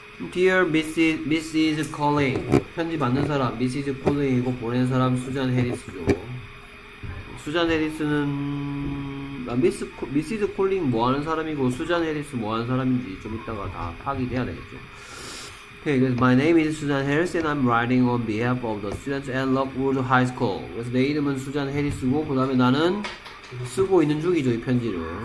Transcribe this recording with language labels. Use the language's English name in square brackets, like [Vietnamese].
[Korean] Dear Mrs. Colling, 편지 받는 사람 Mrs. Colling이고 보낸 사람 수잔 해리스죠. 수잔 해리스는 Mrs. Colling 뭐하는 사람이고 수잔 해리스 뭐하는 사람인지 좀 이따가 다 파기돼야 되겠죠. [English] Okay, 그래서 My name is Susan Harris and I'm writing on behalf of the students at Lockwood High School. [Korean] 그래서 내 이름은 수잔 해리스고 그 다음에 나는 쓰고 있는 중이죠 이 편지를.